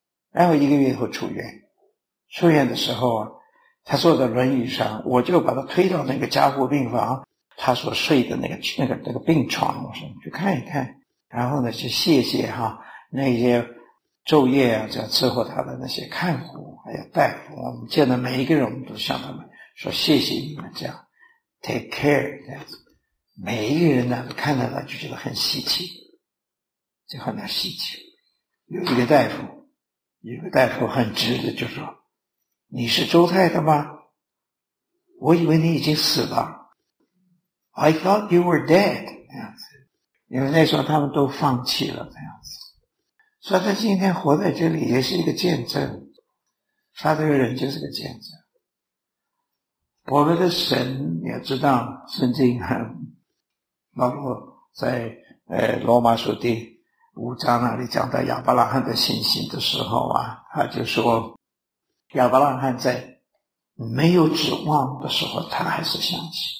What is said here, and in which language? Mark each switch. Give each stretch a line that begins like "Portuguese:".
Chinese: 然后一个月以后出院，出院的时候啊，他坐在轮椅上，我就把他推到那个加护病房，他所睡的那个病床，我说去看一看，然后呢，去谢谢哈那些昼夜啊在伺候他的那些看护还有大夫，我们见到每一个人，我们都向他们说谢谢你们这样
English: take care
Chinese: 这样子，每一个人呢都看到他就觉得很稀奇，就很难稀奇。有一个大夫很直的就说，你是周泰的吗？我以为你已经死了。
English: I thought you were dead，
Chinese: 这样子。因为那时候他们都放弃了，这样子。所以他今天活在这里也是一个见证。他这个人就是个见证。我们的神也知道，圣经包括在罗马书第五章那里讲到亚伯拉罕的信心的时候啊，他就说亚伯拉罕在没有指望的时候他还是相信，